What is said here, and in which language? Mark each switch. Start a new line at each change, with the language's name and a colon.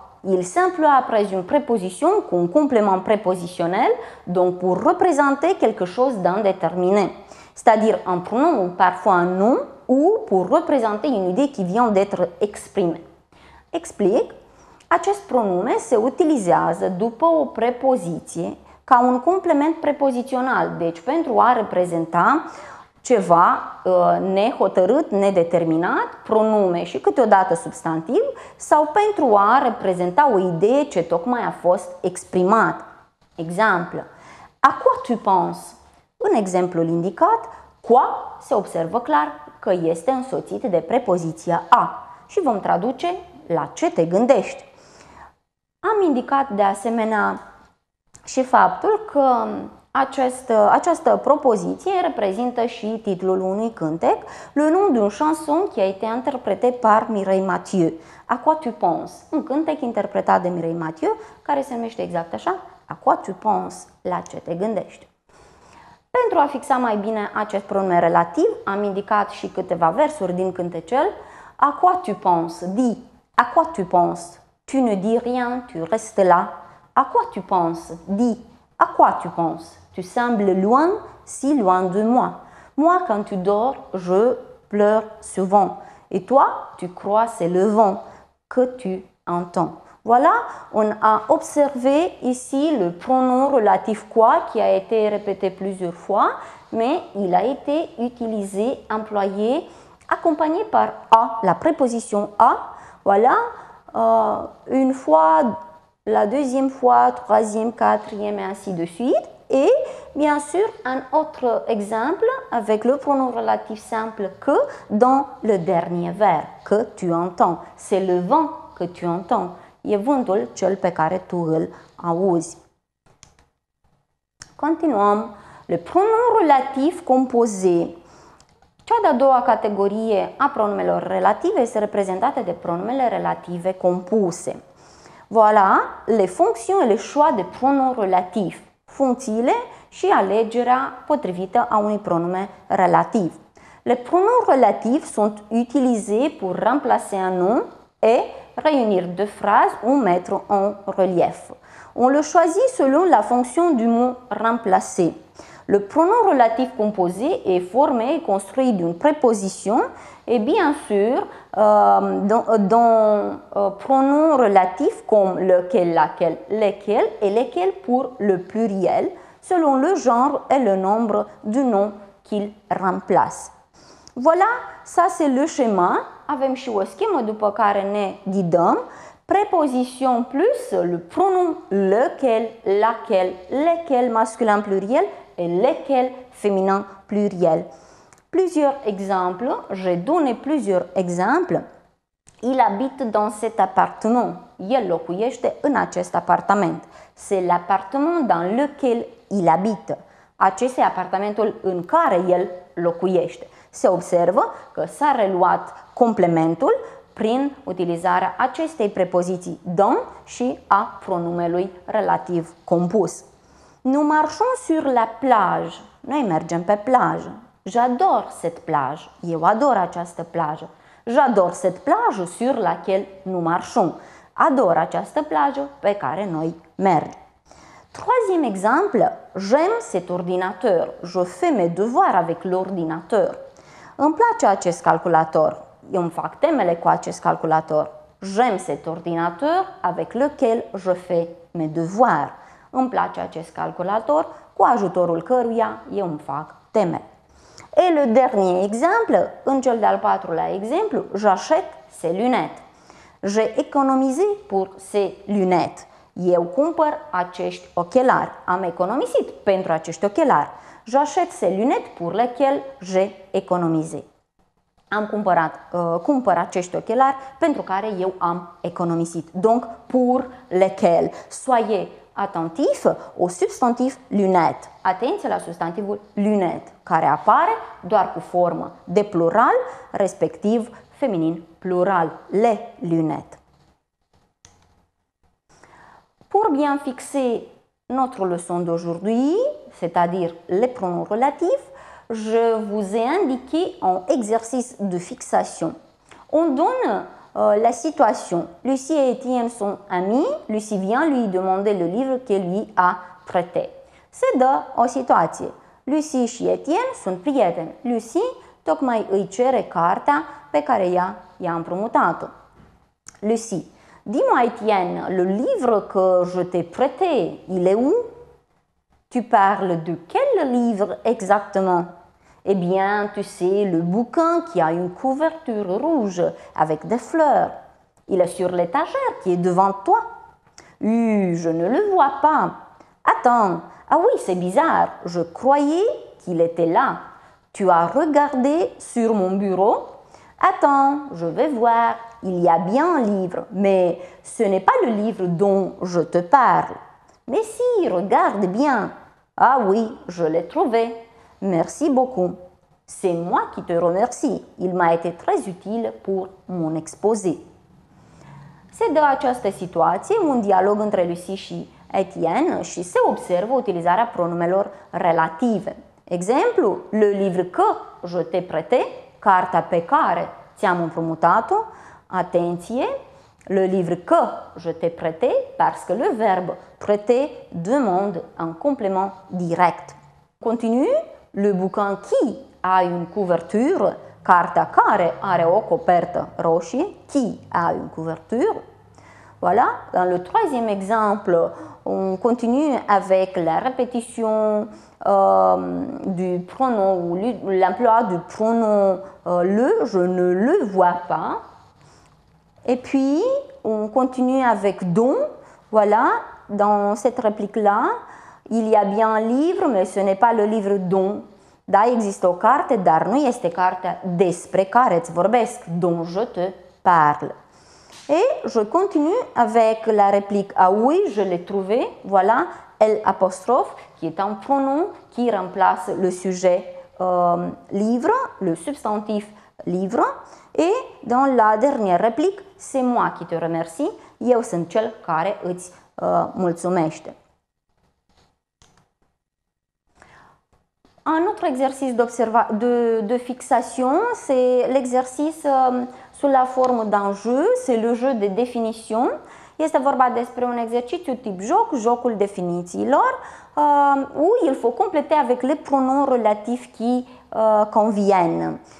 French: Il simple après une préposition cu un complément prépositionnel, donc pour représenter quelque chose d'indéterminé. C'est-à-dire un pronom, parfois un nom, ou pour représenter une idée qui vient d'être exprimée.
Romanian: Explic. Acest pronume se utilizează după o prepoziție ca un complement prepozițional, deci pentru a reprezenta ceva nehotărât, nedeterminat, pronume și câteodată substantiv, sau pentru a reprezenta o idee ce tocmai a fost exprimat. Exemplu.
French: A quoi tu penses?
Romanian: În exemplul indicat, quoi se observă clar că este însoțit de prepoziția a și vom traduce la ce te gândești. Am indicat de asemenea și faptul că această propoziție reprezintă și titlul unui cântec,
French: le nom d'un chanson qui a été interprété par Mireille Mathieu.
Romanian: A quoi tu penses? Un cântec interpretat de Mireille Mathieu, care se numește exact așa, A quoi tu penses? La ce te gândești? Pentru a fixa mai bine acest pronume relativ, am indicat și câteva versuri din cântecel.
French: A quoi tu penses? Dis. A quoi tu penses? Tu ne dis rien, tu restes là. A quoi tu penses? Dis. À quoi tu penses? Tu sembles loin, si loin de moi. Moi, quand tu dors, je pleure souvent. Et toi, tu crois c'est le vent que tu entends. Voilà, on a observé ici le pronom relatif quoi qui a été répété plusieurs fois, mais il a été utilisé, employé, accompagné par à, la préposition à. Voilà, une fois, la deuxième fois, troisième, quatrième et ainsi de suite. Et bien sûr, un autre exemple avec le pronom relatif simple que dans le dernier verbe. Que tu entends. C'est le vent que tu entends.
Romanian: E vântul cel pe care tu îl auzi. Continuăm.
French: Le pronom relatif composé.
Romanian: Cea de-a doua categorie a pronumelor relative este reprezentată de pronumele relative compuse.
French: Voilà les fonctions et les choix de pronom relatif.
Romanian: Funcțiile și alegerea potrivită a unui pronume relativ.
French: Les pronoms relatifs sont utilisés pour remplacer un nom et réunir deux phrases ou mettre en relief. On le choisit selon la fonction du mot remplacé. Le pronom relatif composé est formé et construit d'une préposition et bien sûr dans pronoms relatifs comme lequel, laquelle, lesquels et lesquels pour le pluriel selon le genre et le nombre du nom qu'il remplace. Voilà, ça c'est le schéma.
Romanian: Avem și o schemă după care ne ghidăm.
French: Préposition plus le pronom lequel, laquelle, lesquels masculin pluriel et lesquels féminin pluriel. Plusieurs exemples, j'ai donné plusieurs exemples. Il habite dans cet appartement.
Romanian: El locuiește în acest apartament.
French: C'est l'appartement dans lequel il habite.
Romanian: Acest este apartamentul în care el locuiește. Se observă că s-a reluat complementul prin utilizarea acestei prepoziții dans și a pronumelui relativ compus.
French: Nous marchons sur la plage.
Romanian: Noi mergem pe plajă.
French: J'adore cette plage.
Romanian: Eu ador această plajă.
French: J'adore cette plage sur laquelle nous marchons.
Romanian: Ador această plajă pe care noi mergem.
French: Troisième exemple, j'aime cet ordinateur. Je fais mes devoirs avec l'ordinateur.
Romanian: Îmi place acest calculator. Eu îmi fac temele cu acest calculator.
French: J'aime cet ordinateur avec lequel je fais mes devoirs.
Romanian: Îmi place acest calculator cu ajutorul căruia eu îmi fac temele.
French: Et le dernier exemple,
Romanian: în cel de-al patrulea exemplu,
French: j'achète ces lunettes. J'ai économisé pour ces lunettes.
Romanian: Eu cumpăr acești ochelari. Am economisit pentru acești ochelari.
French: J'achète ces lunettes pour lesquelles j'ai économisé.
Romanian: Am cumpărat, cumpăr acești ochelari pentru care eu am economisit.
French: Donc, pour lesquelles. Soyez attentif au substantif lunette.
Romanian: Atenție la substantivul lunette, care apare doar cu formă de plural, respectiv feminin plural.
French: Les lunettes. Pour bien fixer notre leçon d'aujourd'hui, c'est-à-dire les pronoms relatifs, je vous ai indiqué un exercice de fixation. On donne la situation. Lucie et Étienne sont amis. Lucie vient lui demander le livre qu'elle lui a prêté. C'est de la situation. Lucie et Étienne sont prieteni.
Romanian: Lucie tocmai îi cere cartea pe care ea i-a împrumutat-o.
French: Lucie. Dis-moi, Étienne, le livre que je t'ai prêté, il est où? Tu parles de quel livre exactement? Eh bien, tu sais, le bouquin qui a une couverture rouge avec des fleurs. Il est sur l'étagère qui est devant toi. Je ne le vois pas. Attends, ah oui, c'est bizarre, je croyais qu'il était là. Tu as regardé sur mon bureau? Attends, je vais voir. Il y a bien un livre, mais ce n'est pas le livre dont je te parle. Mais si, regarde bien. Ah oui, je l'ai trouvé. Merci beaucoup. C'est moi qui te remercie. Il m'a été très utile pour mon exposé.
Romanian: Se dă această situație, un dialog între Lucie și Étienne și se observă utilizarea pronumelor relative. Exemplu,
French: le livre que je t'ai prêté,
Romanian: cartea pe care ți-am împrumutat-o.
French: Atenție, le livre que je t'ai prêté, parce que le verbe prêter demande un complément direct. Continue, le bouquin qui a une couverture,
Romanian: cartea care are o copertă roșie,
French: qui a une couverture. Voilà, dans le troisième exemple, on continue avec la répétition du pronom ou l'emploi du pronom le, je ne le vois pas. Et puis, on continue avec « don ». Voilà, dans cette réplique-là, il y a bien un livre, mais ce n'est pas le livre « don ».
Romanian: Da, există o carte, dar nu este cartea despre care îți vorbesc,
French: dont je te parle. Et je continue avec la réplique « Ah oui, je l'ai trouvé ». Voilà, « l'apostrophe » qui est un pronom qui remplace le sujet « livre », le substantif « livre ». Et dans la dernière réplique, « C'est moi qui te remercie ».
Romanian: Eu sunt cel care îți mulțumește.
French: Un autre exercice de fixation, c'est l'exercice sous la forme d'un jeu, c'est le jeu de définition.
Romanian: Este vorba despre un exercițiu tip joc, jocul definițiilor,
French: où il faut compléter avec les pronoms relatifs qui conviennent.